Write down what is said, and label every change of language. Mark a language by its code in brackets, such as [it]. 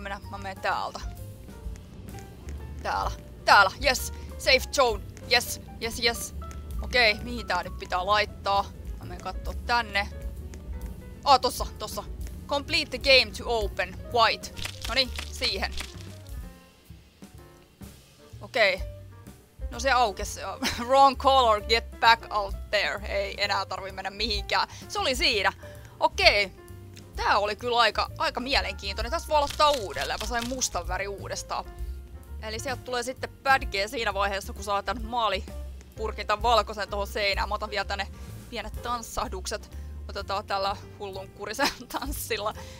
[fi] Mä menen täältä. Täällä, yes! Safe zone, yes. Okei, mihin tää nyt pitää laittaa? Mä menen kattoo tänne. Ah, tossa. [en] Complete the game to open, white. [fi] Noniin, siihen. Okei. No se aukes. [en] Wrong color, get back out there. [fi] Ei enää tarvi mennä mihinkään. Se oli siinä. Okei. Tää oli kyllä aika mielenkiintoinen. Tässä voi aloittaa uudelleen. Mä sain mustan väri uudestaan. Eli sieltä tulee sitten badgea siinä vaiheessa, kun saa tän maalipurkintan valkoisen tohon seinään. Mä otan vielä tänne pienet tanssahdukset. Otetaan tällä hullunkurisen tanssilla.